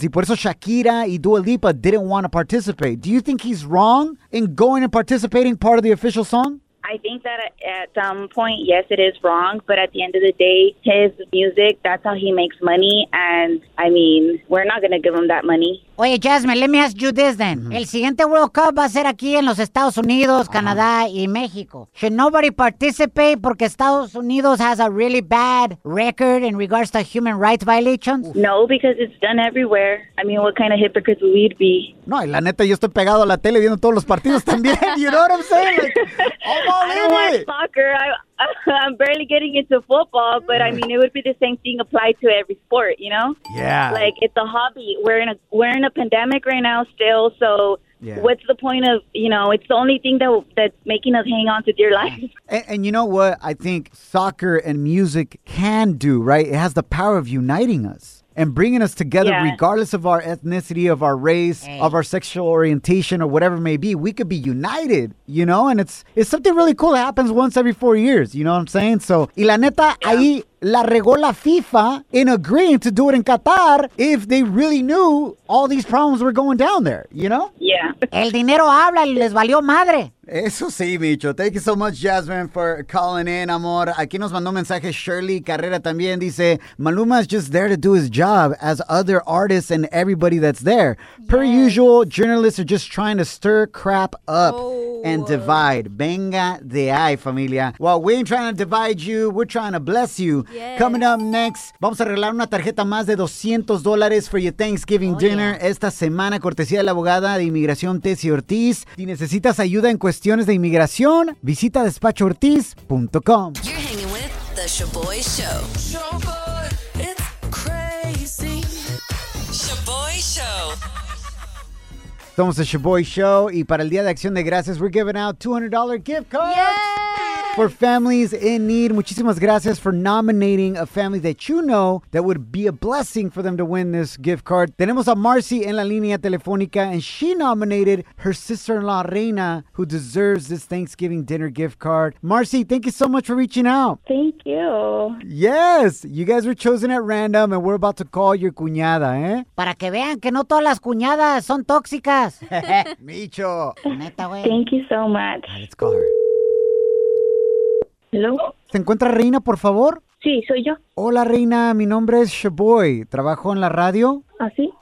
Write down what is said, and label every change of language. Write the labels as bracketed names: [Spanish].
[Spanish] Y por eso Shakira y Dua Lipa [English] didn't want to participate. Do you think he's wrong in going and participating part of the official song? I think that at some point, yes, it is wrong. But at the end of the day, his music, that's how he makes money. And I mean, we're not going to give him that money. Oye, Jasmine, let me ask you this then. Mm-hmm. [Spanish] El siguiente World Cup va a ser aquí en los Estados Unidos, Canadá y México. [English] Should nobody participate porque Estados Unidos has a really bad record in regards to human rights violations? No, because it's done everywhere. I mean, what kind of hypocrites would we be? [Spanish] No, y la neta, yo estoy pegado a la tele viendo todos los partidos también. [English] You know what I'm saying? Like, I'm barely getting into football, but I mean, it would be the same thing applied to every sport, you know? Yeah. Like, it's a hobby. We're in a pandemic right now still, so what's the point of, you know, it's the only thing that's making us hang on to dear life. And you know what I think soccer and music can do, right? It has the power of uniting us and bringing us together regardless of our ethnicity, of our race, of our sexual orientation, or whatever it may be. We could be united, you know? And it's something really cool that happens once every 4 years, you know what I'm saying? So, [Spanish] y la neta, ahí la regó la FIFA [English] in agreeing to do it in Qatar if they really knew all these problems were going down there, you know? Yeah. [Spanish] El dinero habla y les valió madre. Eso sí, [English] Micho. Thank you so much, Jasmine, for calling in, amor. [Spanish] Aquí nos mandó mensaje Shirley Carrera también. [English] Dice, Maluma is just there to do his job as other artists and everybody that's there. Yes. Per usual, journalists are just trying to stir crap up and divide. [Spanish] Venga de ahí, familia. [English] Well, we ain't trying to divide you. We're trying to bless you. Yes. Coming up next, [Spanish] vamos a regalar una tarjeta más de $200 [English] for your Thanksgiving dinner [Spanish] esta semana, cortesía de la abogada de inmigración Tessie Ortiz. Si necesitas ayuda en cuestiones de inmigración, visita despachoortiz.com. [English] You're hanging with the Shaboy Show. Shaboy, it's crazy. Shaboy Show. [Spanish] Somos the Shaboy Show, y para el Día de Acción de Gracias, [English] we're giving out $200 gift cards. Yay! For families in need, [Spanish] muchísimas gracias [English] for nominating a family that you know that would be a blessing for them to win this gift card. [Spanish] Tenemos a Marcy en la línea telefónica, [English] and she nominated her sister-in-law, Reina, who deserves this Thanksgiving dinner gift card. Marcy, thank you so much for reaching out. Thank you. Yes, you guys were chosen at random, and we're about to call your cuñada, eh? [Spanish] Para que vean que no todas las cuñadas son tóxicas. Micho. Neta, güey. [English] Thank you so much. Right, let's call her. Hello? [Spanish] ¿Se encuentra Reina, por favor? Sí, soy yo. Hola, Reina. Mi nombre es Shaboy. Trabajo en la radio. ¿Ah, sí?